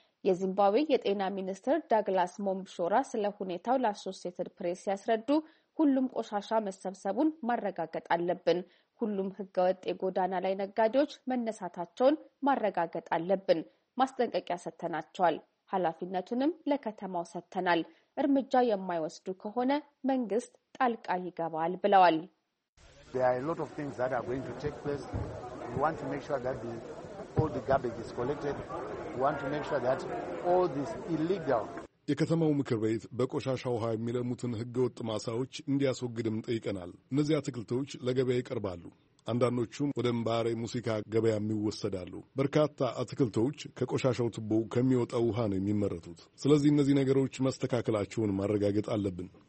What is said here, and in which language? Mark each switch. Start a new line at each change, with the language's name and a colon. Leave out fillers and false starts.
Amharic: የዚምባብዌ የጤና ሚኒስትር ዳግላስ ሞምብሾራ ስለ ሁኔታው ለአሶሴትድ ፕሬስ ሲያስረዱ፣ ሁሉም ቆሻሻ መሰብሰቡን ማረጋገጥ አለብን። ሁሉም ህገወጥ የጎዳና ላይ ነጋዴዎች መነሳታቸውን ማረጋገጥ አለብን። ማስጠንቀቂያ ሰጥተናቸዋል። ኃላፊነቱንም ለከተማው ሰጥተናል። እርምጃ የማይወስዱ ከሆነ መንግስት ጣልቃ ይገባል ብለዋል።
English: There are a lot of things that are going to take place. We want to make sure that all the garbage is collected. We want to make sure that all this illegal.
Amharic: የከተማው ምክር ቤት በቆሻሻ ውሃ የሚለሙትን ህገወጥ ማሳዎች እንዲያስወግድም ጠይቀናል። እነዚያ አትክልቶች ለገበያ ይቀርባሉ። አንዳንዶቹም ወደ ምባሬ ሙዚቃ ገበያም ይወሰዳሉ። በርካታ አትክልቶች ከቆሻሻው ቱቦ ከሚወጣው ውሃ ነው የሚመረቱት። ስለዚህ እነዚህ ነገሮች መስተካከላቸውን ማረጋገጥ አለብን።